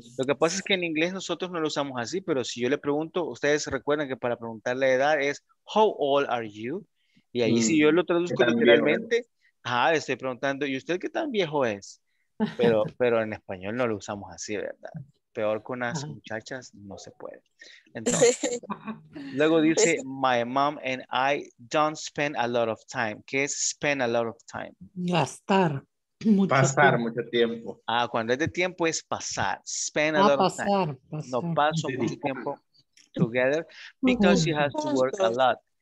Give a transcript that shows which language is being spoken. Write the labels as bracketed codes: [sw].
[es] Lo que pasa es que en inglés nosotros no lo usamos así, pero si yo le pregunto, ustedes recuerdan que para preguntar la edad es [en] how old are you? [es] Y ahí si yo lo traduzco literalmente, le estoy preguntando, ¿y usted qué tan viejo es? Pero en español no lo usamos así, ¿verdad? Peor con las muchachas no se puede. Entonces, luego dice, [en] my mom and I don't spend a lot of time. [es] ¿Qué es [en] spend a lot of time? [es] Gastar. Pasar mucho tiempo. Ah, cuando es de tiempo es pasar. [en] Spend a lot of time. [es] No paso mucho tiempo [en] together because she has to work a lot.